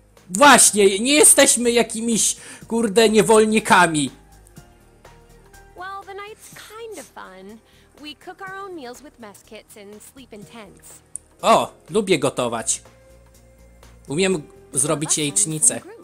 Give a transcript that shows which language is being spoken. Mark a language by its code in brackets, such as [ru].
[pl] Właśnie, nie jesteśmy jakimiś kurde niewolnikami. [en] Well, the night's kind of fun. We cook our own meals with mess kits and sleep in tents. [pl] O, lubię gotować. Umiem zrobić jajecznicę.